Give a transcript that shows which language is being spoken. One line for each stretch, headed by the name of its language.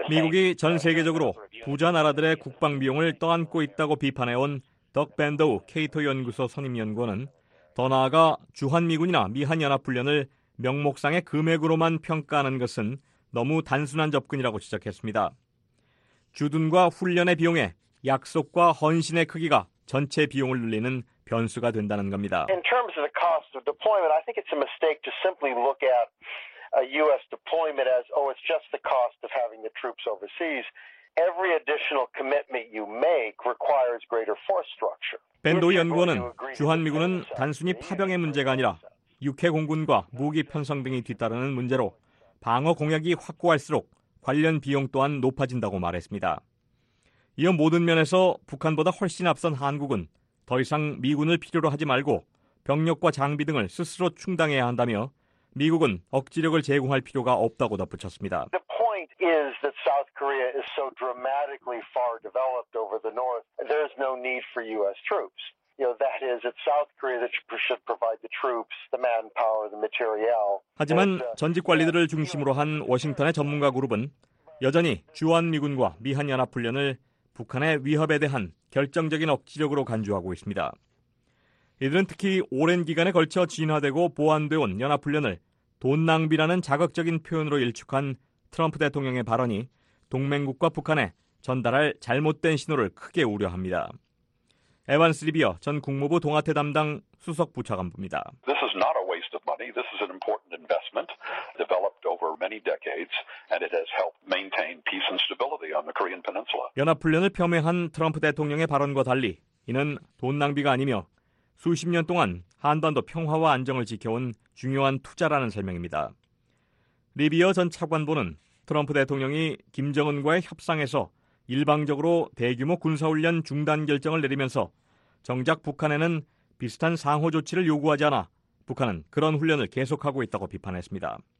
Korean: 미국이 전 세계적으로 부자 나라들의 국방 비용을 떠안고 있다고 비판해온 덕 밴더우 케이터 연구소 선임 연구원은 더 나아가 주한 미군이나 미한 연합 훈련을 명목상의 금액으로만 평가하는 것은 너무 단순한 접근이라고 지적했습니다. 주둔과 훈련의 비용에 약속과 헌신의 크기가 전체 비용을 늘리는 변수가 된다는 겁니다.
English: In terms of the cost of deployment, I think it's a mistake to simply look at a U.S. deployment as, oh, it's just the cost of having the troops overseas. Every additional commitment you make requires greater force structure.
Korean: 밴더우 연구원은 주한미군은 단순히 파병의 문제가 아니라 육해공군과 무기 편성 등이 뒤따르는 문제로 방어 공약이 확고할수록 관련 비용 또한 높아진다고 말했습니다. 이어 모든 면에서 북한보다 훨씬 앞선 한국은 더 이상 미군을 필요로 하지 말고 병력과 장비 등을 스스로 충당해야 한다며 미국은 억지력을 제공할 필요가 없다고 덧붙였습니다.
English: The point is that South Korea is so dramatically far developed over the North, there's no need for U.S. troops. You know, that is, it's South Korea that should provide the troops, the manpower, the material.
Korean: 하지만 전직 관리들을 중심으로 한 워싱턴의 전문가 그룹은 여전히 주한미군과 미한연합훈련을 북한의 위협에 대한 결정적인 억지력으로 간주하고 있습니다. 이들은 특히 오랜 기간에 걸쳐 진화되고 보완되어 온 연합훈련을 돈 낭비라는 자극적인 표현으로 일축한 트럼프 대통령의 발언이 동맹국과 북한에 전달할 잘못된 신호를 크게 우려합니다. 에반스 리비어 전 국무부 동아태 담당 수석 부차관부입니다.
English: This is not a waste of money. This is an important investment developed over many decades and it has helped maintain peace and stability on the Korean Peninsula.
Korean: 연합훈련을 폄훼한 트럼프 대통령의 발언과 달리 이는 돈 낭비가 아니며 수십 년 동안 한반도 평화와 안정을 지켜온 중요한 투자라는 설명입니다. 리비어 전 차관보는 트럼프 대통령이 김정은과의 협상에서 일방적으로 대규모 군사훈련 중단 결정을 내리면서 정작 북한에는 비슷한 상호 조치를 요구하지 않아 북한은 그런 훈련을 계속하고 있다고 비판했습니다.